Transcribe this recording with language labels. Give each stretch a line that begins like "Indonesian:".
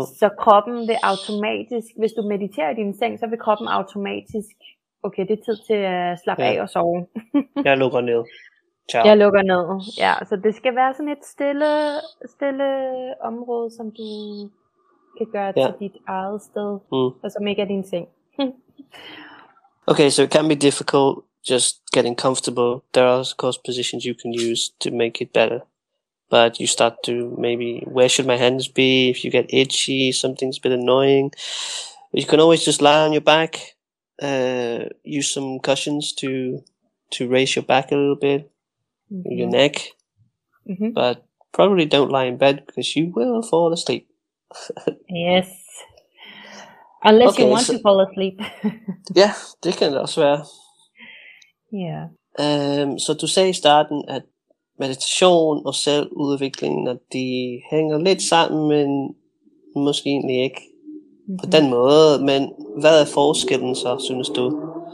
Danish: Så kroppen vil automatisk, hvis du mediterer i din seng, så vil kroppen automatisk, okay, det er tid til at slappe af og sove. Jeg lukker ned. Ciao. Jeg lukker ned. Ja, så det skal være sådan et stille område, som du kan gøre til dit eget sted, og som ikke er din seng.
English: Okay, so it can be difficult just getting comfortable. There are, of course, positions you can use to make it better. But you start to maybe, where should my hands be? If you get itchy, something's a bit annoying. You can always just lie on your back, use some cushions to raise your back a little bit. Mm-hmm. Your neck, but probably don't lie in bed because you will fall asleep. Yes, unless you want to fall asleep. Yeah,
Danish: det kan det også være.
English: Yeah.
Danish: Så du sagde i starten, at meditation og selvudvikling, at de hænger lidt sammen, men måske egentlig ikke på den måde. Men hvad er forskellen så, synes du?